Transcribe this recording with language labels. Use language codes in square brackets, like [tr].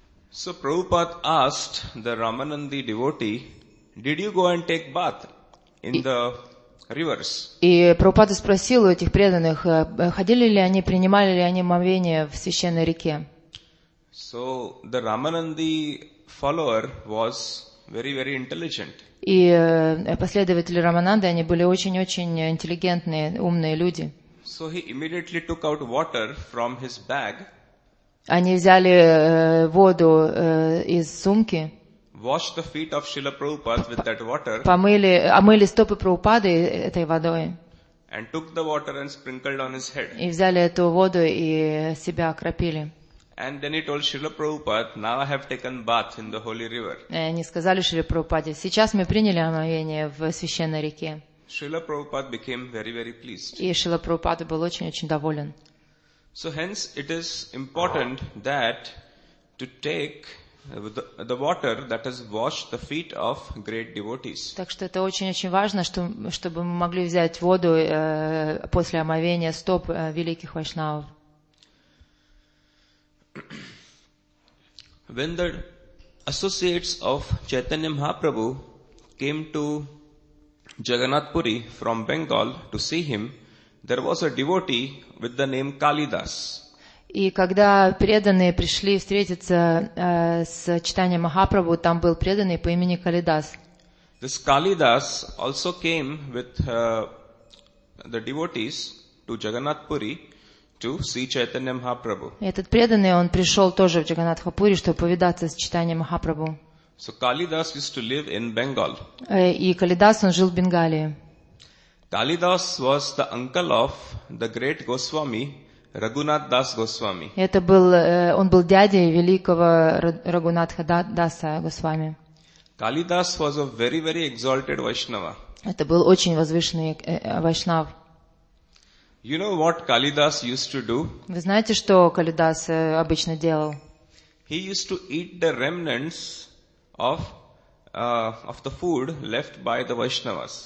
[en] So Prabhupada asked the Ramanandi devotee, did you go and take bath in the rivers? [ru] И Прабхупада спросил у этих преданных, ходили ли они, принимали ли они омовение в священной реке. [en] So the Ramanandi follower was very, very intelligent. [ru] И последователи Рамананды, они были очень-очень интеллигентные, умные люди. [en] So he immediately took out water from his bag. [ru] Они взяли воду из сумки. [en] Washed the feet of Srila Prabhupada with that water. [ru] Омыли стопы Прабхупады этой водой. [en] And took the water and sprinkled on his head. [ru] И взяли эту воду и себя окропили. [en] And then he told Srila Prabhupada, now I have taken bath in the holy river. [ru] Они сказали Шриле Прабхупаде, сейчас мы приняли омовение в священной реке. [en] Srila Prabhupada became very, very pleased. [ru] И Шрила Прабхупада был очень-очень доволен. [en] So hence it is important that to take the water that has washed the feet of great devotees. [ru] Так что это очень-очень важно, чтобы мы могли взять воду после омовения стоп великих вайшнавов. [en] When the associates of Chaitanya Mahaprabhu came to Jagannath Puri from Bengal to see him, there was a devotee with the name Kalidas. [ru] И когда преданные пришли встретиться с Чайтанья Махапрабху, там был преданный по имени Калидас. [en] This Kalidas also came with the devotees to Jagannath Puri to see Chaitanya Mahaprabhu. [ru] Этот преданный, он пришел тоже в Джаганатхапури, чтобы повидаться с Чайтанья Махапрабху. [en] So Kalidas used to live in Bengal. [ru] И Калидас, он жил в Бенгалии. [en] Kalidas was the uncle of the great Goswami, Raghunath Das Goswami. [ru] Это был, он был дядей великого Рагунатха Даса Госвами. [en] Kalidas was a very, very exalted Vaishnava. [ru] Это был очень возвышенный Вайшнав. [en] You know what Kalidas used to do? [ru] Вы знаете, что Калидас обычно делал? [en] He used to eat the remnants of the food left by the Vaishnavas.